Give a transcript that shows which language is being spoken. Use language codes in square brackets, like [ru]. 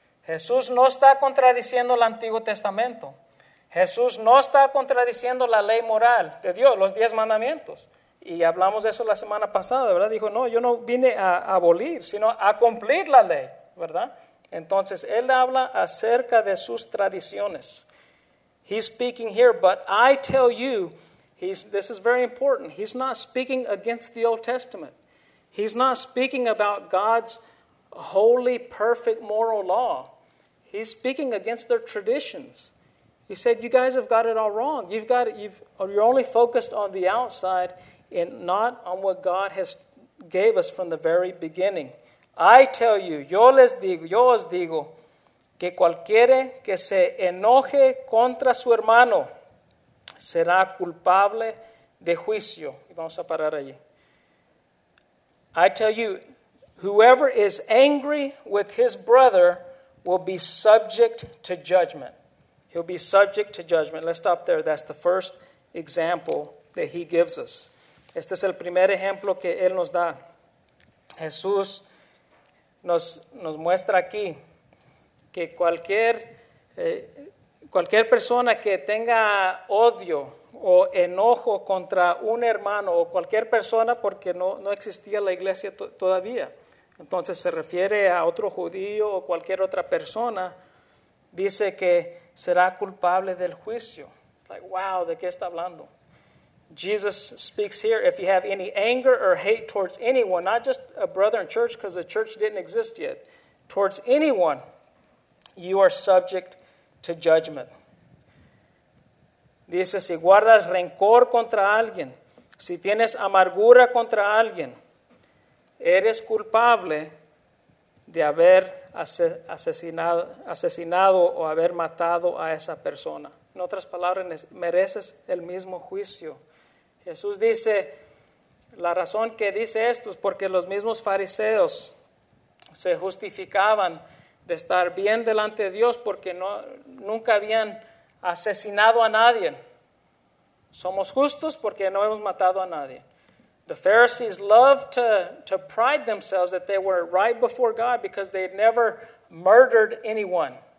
[es] Jesús no está contradiciendo el Antiguo Testamento. Jesús no está contradiciendo la ley moral de Dios, los 10 mandamientos. Y hablamos de eso la semana pasada, ¿verdad? Dijo, no, yo no vine a abolir, sino a cumplir la ley, ¿verdad? Entonces, él habla acerca de sus tradiciones. [en] He's speaking here, but I tell you, this is very important. He's not speaking against the Old Testament. He's not speaking about God's holy, perfect moral law. He's speaking against their traditions. He said, you guys have got it all wrong. You're only focused on the outside and not on what God has gave us from the very beginning. I tell you, [es] yo os digo, que cualquiera que se enoje contra su hermano será culpable de juicio. Y vamos a parar allí. [en] I tell you, whoever is angry with his brother will be subject to judgment. He'll be subject to judgment. Let's stop there. That's the first example that he gives us. [es] Este es el primer ejemplo que él nos da. Jesús nos muestra aquí que cualquier persona que tenga odio o enojo contra un hermano o cualquier persona, porque no existía la iglesia todavía, entonces se refiere a otro judío o cualquier otra persona, dice que será culpable del juicio. [en] It's like, wow, [es] ¿de qué está hablando? [en] Jesus speaks here, if you have any anger or hate towards anyone, not just a brother in church because the church didn't exist yet, towards anyone, you are subject to judgment. [es] Dice, si guardas rencor contra alguien, si tienes amargura contra alguien, eres culpable de haber asesinado o haber matado a esa persona. En otras palabras, mereces el mismo juicio. Jesús dice, la razón que dice esto es porque los mismos fariseos se justificaban de estar bien delante de Dios porque nunca habían asesinado a nadie. Somos justos porque no hemos matado a nadie. [en] The Pharisees loved to pride themselves that they were right before God because they had never murdered anyone.